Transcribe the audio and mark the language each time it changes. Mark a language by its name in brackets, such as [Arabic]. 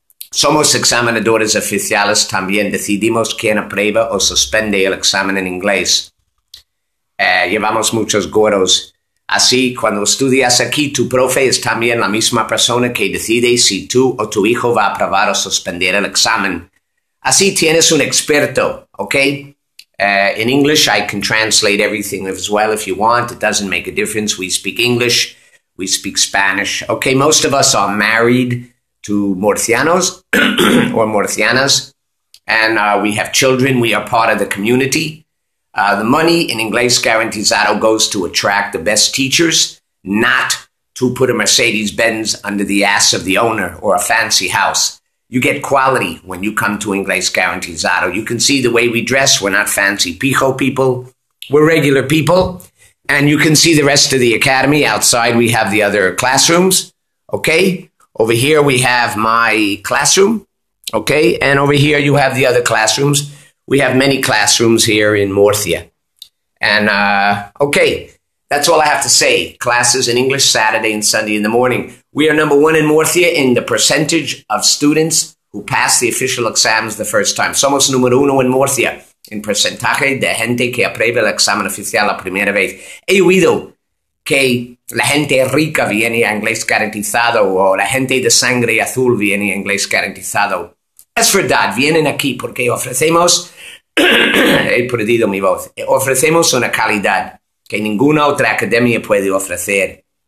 [Spanish] Somos examinadores oficiales, también decidimos quién aprueba o suspende el examen en inglés. Llevamos muchos gorros. Así, cuando estudias aquí, tu profe es también la misma persona que decide si tú o tu hijo va a aprobar o suspender el examen. Así tienes un experto, ¿ok? [English] In English, I can translate everything as well if you want. It doesn't make a difference. We speak English, we speak Spanish. Okay, most of us are married to Murcianos or Murcianas, and we have children. We are part of the community. The money in Inglés Garantizado goes to attract the best teachers, not to put a Mercedes-Benz under the ass of the owner or a fancy house. You get quality when you come to Inglés Garantizado. You can see the way we dress. We're not fancy pijo people. We're regular people. And you can see the rest of the academy. Outside, we have the other classrooms. Okay? Over here, we have my classroom. Okay? And over here, you have the other classrooms. We have many classrooms here in Murcia. And okay, that's all I have to say. Classes in English Saturday and Sunday in the morning. We are number one in Murcia in the percentage of students who pass the official exams the first time. [Spanish] Somos número uno en Murcia en porcentaje de gente que aprueba el examen oficial la primera vez. He oído que la gente rica viene a Inglés Garantizado o la gente de sangre azul viene a Inglés Garantizado. Es verdad, vienen aquí porque ofrecemos, he perdido mi voz, ofrecemos una calidad que ninguna otra academia puede ofrecer.